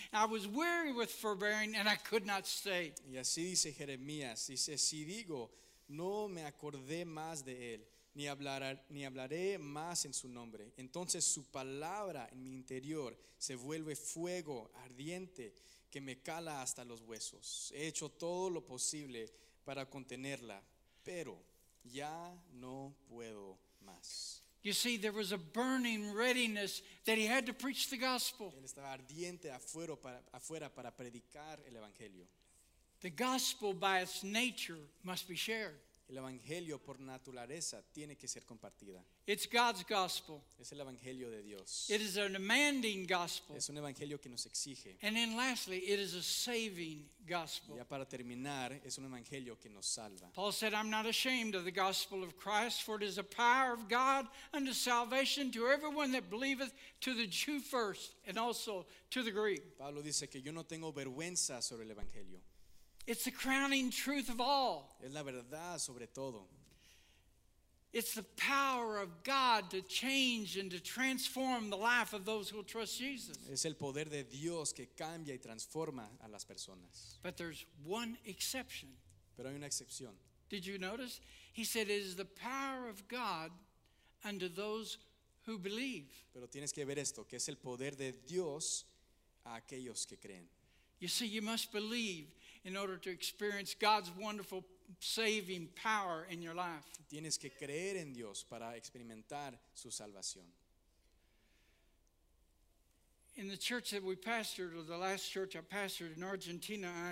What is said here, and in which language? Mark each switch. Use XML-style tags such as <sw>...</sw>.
<en>I was weary with forbearing, and I could not stay."</en> <es>Y así dice Jeremías. Dice, si digo, no me acordé más de él, ni hablaré más en su nombre. Entonces su palabra en mi interior se vuelve fuego ardiente que me cala hasta los huesos. He hecho todo lo posible para contenerla, pero ya no puedo más.</es> <en>You see, there was a burning readiness that he had to preach the gospel.</en> <es>Él estaba ardiente afuera para predicar el evangelio.</es> <en>The gospel by its nature must be shared.</en> <es>El evangelio por naturaleza tiene que ser compartida.</es> <en>It's God's gospel.</en> <es>Es el evangelio de Dios.</es> <en>It is a demanding gospel.</en> <es>Es un evangelio que nos exige.</es> <en>And then lastly, it is a saving gospel.</en> <es>Ya para terminar, es un evangelio que nos salva.</es> <en>Paul said, "I'm not ashamed of the gospel of Christ, for it is a power of God unto salvation to everyone that believeth, to the Jew first and also to the Greek."</en> <es>Pablo dice que yo no tengo vergüenza sobre el evangelio.</es> <en>It's the crowning truth of all.</en> <es>Es la verdad sobre todo.</es> <en>It's the power of God to change and to transform the life of those who will trust Jesus.</en> <es>Es el poder de Dios que cambia y transforma a las personas.</es> <en>But there's one exception.</en> <es>Pero hay una excepción.</es> <en>Did you notice? He said, "It is the power of God unto those who believe."</en> <es>Pero tienes que ver esto, que es el poder de Dios a aquellos que creen.</es> <en>You see, you must believe in order to experience God's wonderful saving power in your life.</en> <es>Tienes que creer en Dios para experimentar su salvación.</es> <en>In the church that we pastored, or the last church I pastored in Argentina,</en>